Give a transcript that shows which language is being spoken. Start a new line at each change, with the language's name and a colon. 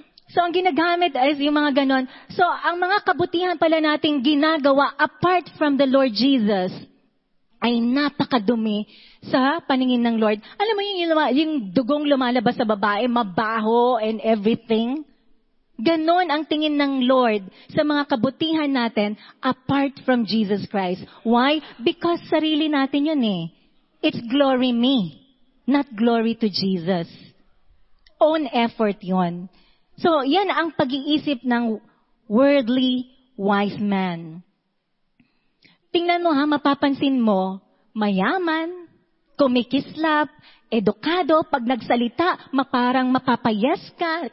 Filipino: So, ang ginagamit is yung mga ganon. So, ang mga kabutihan pala nating ginagawa apart from the Lord Jesus ay napakadumi sa paningin ng Lord. Alam mo yung dugong lumalabas sa babae, mabaho and everything? Ganon ang tingin ng Lord sa mga kabutihan natin apart from Jesus Christ.
English: Why? Because
Filipino: sarili natin yun eh.
English: It's glory me, not glory to Jesus.
Filipino: Own effort yun. So, yan ang pag-iisip ng worldly wise man. Tingnan mo ha, mapapansin mo, mayaman, kumikislap, edukado, pag nagsalita, maparang mapapayes ka.